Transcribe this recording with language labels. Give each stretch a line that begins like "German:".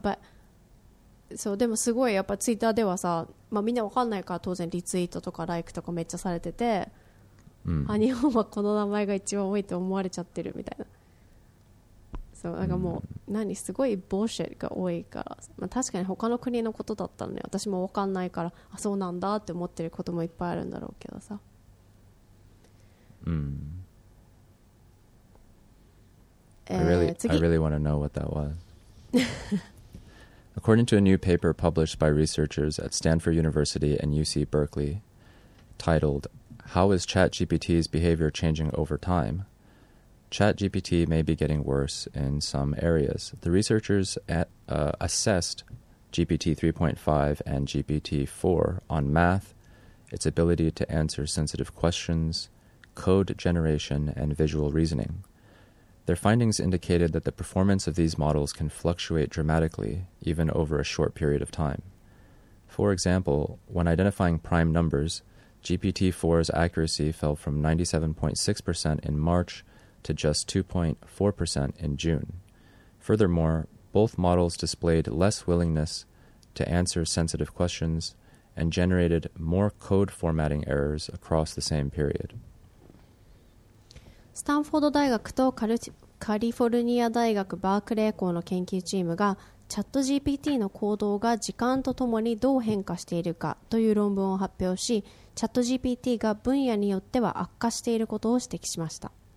English: But so,
Japanese: でもすごいやっぱツイッターではさ、まあみんなわかんないから当然リツイートとかライクとかめっちゃされてて、あ、日本はこの名前が一番多いと思われちゃってるみたいな。そう、なんかもう何すごいボッシェが多いから、まあ確かに他の国のことだったのね。私もわかんないから、あ、そうなんだって思ってることもいっぱいあるんだろうけどさ。
English: I really want to know what that was. According to a new paper published by researchers at Stanford University and UC Berkeley, titled "How is ChatGPT's behavior changing over time?" ChatGPT may be getting worse in some areas. The researchers assessed GPT 3.5 and GPT 4 on math, its ability to answer sensitive questions, code generation, and visual reasoning. Their findings indicated that the performance of these models can fluctuate dramatically, even over a short period of time. For example, when identifying prime numbers, GPT-4's accuracy fell from 97.6% in March to just 2.4% in June. Furthermore, both models displayed less willingness to answer sensitive questions and generated more code formatting errors across the same period.
Japanese: スタンフォード大学とカリフォルニア大学バークレー校の研究チームがチャット GPT の行動が時間とともにどう変化しているかという論文を発表し、チャット GPT が分野によっては悪化していることを指摘しました。